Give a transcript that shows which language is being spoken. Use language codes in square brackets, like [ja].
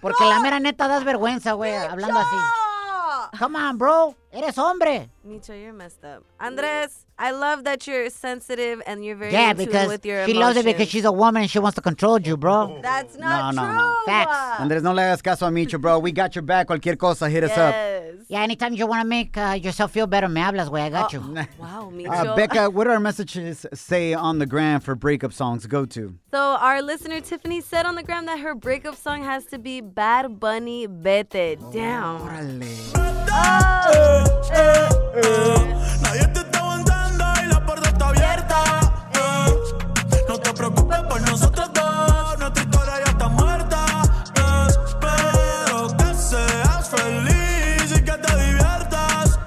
[es] Porque la mera neta das vergüenza, güey, hablando así. [en] Come on, bro. [es] Eres hombre. [en] Micho, you're messed up. Andres, I love that you're sensitive and you're very intuitive with your emotions. Yeah, because she loves it because she's a woman and she wants to control you, bro. That's not true. No. Facts. Andres, [es] no le hagas caso a Micho, [en] bro. We got your back. [es] Cualquier cosa, [en] hit us up. Yeah, anytime you want to make yourself feel better, [es] me hablas, güey. [en] I got you. Wow, Micho. Becca, what do our messages say on the gram for breakup songs go to? So our listener, Tiffany, said on the gram that her breakup song has to be Bad Bunny, Vete. Down. [es] Órale. Nadie te está aguantando y la puerta está abierta. No te preocupes por nosotros dos. Nuestra historia ya está muerta. Espero que seas feliz y que te diviertas.